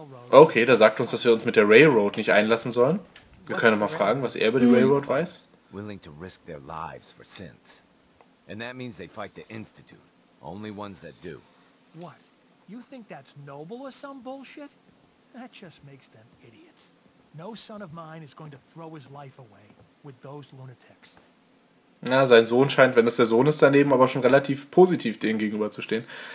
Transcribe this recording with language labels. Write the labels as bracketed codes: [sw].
[de] Okay, da sagt uns, dass wir uns mit der Railroad nicht einlassen sollen. Wir können mal fragen, was er über die Railroad weiß. [en] Willing to risk their lives for sins. And that means they fight the Institute. Only ones that do. What? You think that's noble or some bullshit? That just makes them idiots. No son of mine is going to throw his life away with those lunatics. [de] Na, sein Sohn scheint, wenn es der Sohn ist daneben, aber schon relativ positiv denen gegenüber zu stehen.